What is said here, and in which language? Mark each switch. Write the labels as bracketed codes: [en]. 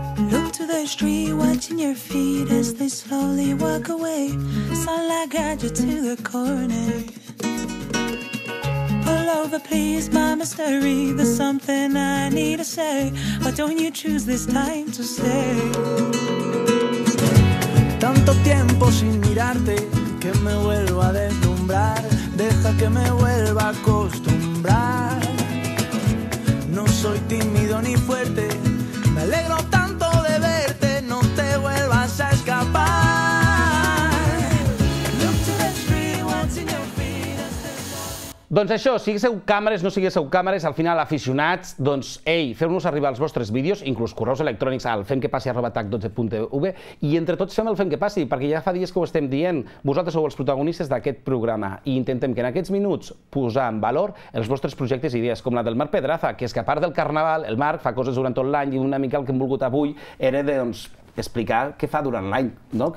[en] Look to the street, watching your feet as they slowly walk away. Sunlight guide you to the corner. Pull over, please, my mystery. There's something I need to say. Why don't you choose this time to stay? [es] Tanto tiempo sin mirarte que me vuelvo a deslumbrar. Deja que me vuelva a acostumbrar. No soy tímido ni fuerte. Me alegro tanto de verte. No te vuelvas a escapar. [en] Look to the street, what's in your feet? [ca] Doncs això, siguéssiu càmeres, no siguéssiu càmeres, al final aficionats, doncs, feu-nos arribar els vostres vídeos, inclús correus electrònics al femquepassi@tac12.tv, i entre tots fem el Fem que Passi, perquè ja fa dies que ho estem dient, vosaltres sou els protagonistes d'aquest programa, i intentem que en aquests minuts posar en valor els vostres projectes i idees, com la del Marc Pedraza, que és que a part del carnaval, el Marc fa coses durant tot l'any, i una mica el que hem volgut avui era doncs, explicar què fa durant l'any, no?